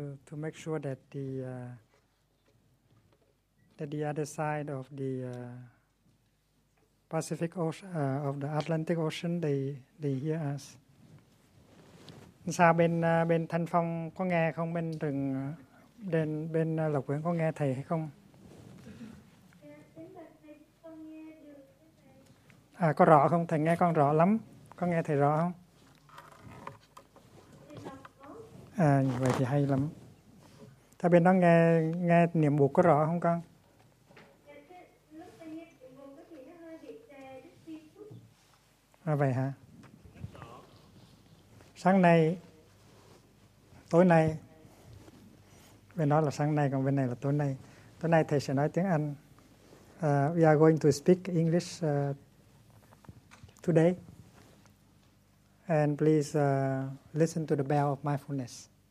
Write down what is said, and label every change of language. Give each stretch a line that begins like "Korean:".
English: To make sure that the other side of the Pacific Ocean of the Atlantic Ocean they hear us.
Vietnamese: Sao bên Thanh Phong có nghe không, bên rừng bên Lộc Nguyễn có nghe thầy hay không? À, có rõ không? Thầy nghe con rõ lắm. Có nghe thầy rõ không? À, vậy thì hay lắm. Thầy bên đó nghe niệm buộc có rõ không con? À, vậy hả? Sáng nay, tối nay, bên đó là sáng nay, còn bên này là tối nay. Tối nay thầy sẽ nói tiếng Anh.
English: We are going to speak English today, and please listen to the bell of mindfulness.